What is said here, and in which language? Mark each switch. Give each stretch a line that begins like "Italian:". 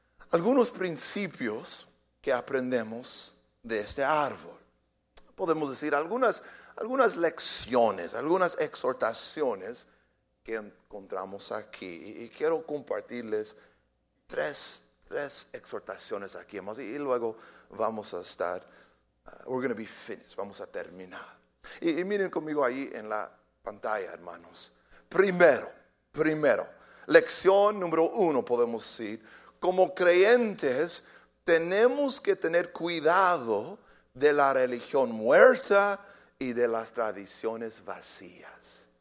Spanish: Algunos principios que aprendemos de este árbol. Podemos decir algunas lecciones, algunas exhortaciones que encontramos aquí. Y quiero compartirles tres exhortaciones aquí, hermanos. Y luego vamos a estar,
English: we're going to be finished.
Spanish: Vamos a terminar. Y miren conmigo ahí en la pantalla, hermanos. Primero, lección número uno, podemos decir: como creyentes tenemos que tener cuidado de la religión muerta y de las tradiciones vacías.